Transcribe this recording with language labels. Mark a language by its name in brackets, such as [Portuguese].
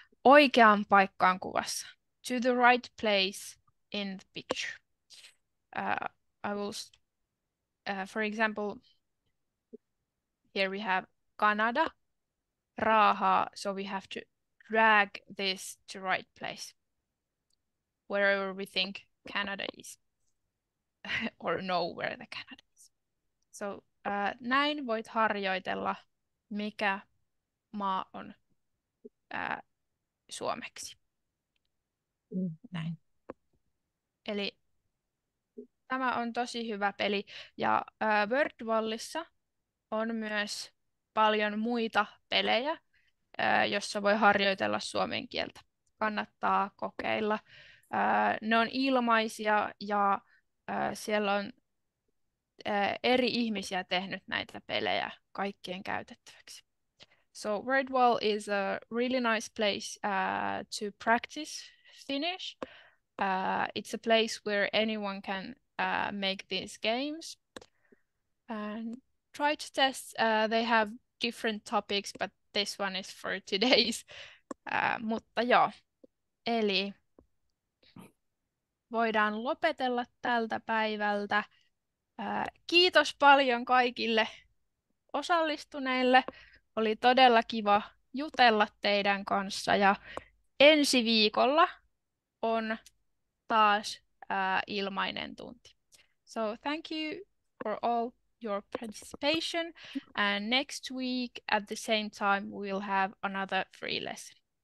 [Finnish] Oikeaan paikkaan kuvassa. [English] To the right place in the picture. I will, for example, here we have Canada. Raha, so we have to drag this to right place. Wherever we think Canada is. Or know where the Canada is. So, [Finnish] näin voit harjoitella, mikä maa on suomeksi. Näin. Eli tämä on tosi hyvä peli. Ja Wordwallissa on myös paljon muita pelejä, jossa voi harjoitella suomen kieltä. Kannattaa kokeilla. Ne on ilmaisia ja siellä on eri ihmisiä tehnyt näitä pelejä kaikkien käytettäväksi. [English] So Wordwall is a really nice place to practice Finnish. It's a place where anyone can make these games. And try to test. They have different topics, but this one is for today's. [Finnish] Mutta joo. Eli voidaan lopetella tältä päivältä. Kiitos paljon kaikille osallistuneille. Oli todella kiva jutella teidän kanssa. Ja ensi viikolla on taas ilmainen tunti. [English] So thank you for all your participation, and next week at the same time we'll have another free lesson.